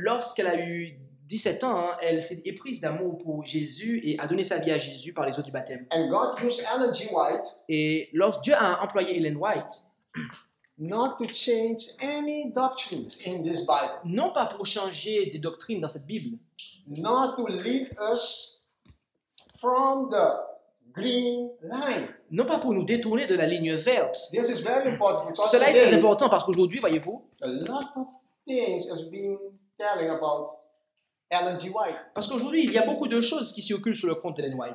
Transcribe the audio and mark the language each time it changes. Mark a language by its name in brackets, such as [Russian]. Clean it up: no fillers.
[French] Lorsqu'elle a eu 17 ans, elle s'est éprise d'amour pour Jésus et a donné sa vie à Jésus par les eaux du baptême. [English] And God used Ellen G. White. [French] Et lorsque Dieu a employé Ellen White, [English] not to change any doctrines in this Bible. [French] Non pas pour changer des doctrines dans cette Bible. [English] Not to lead us from the green line. [French] Non pas pour nous détourner de la ligne verte. [English] This is very important because [French] cela est très important parce qu'aujourd'hui, voyez-vous, [English] a lot of things has been telling about Ellen G. White. [French] Parce qu'aujourd'hui, il y a beaucoup de choses qui circulent sur le compte d'Ellen White.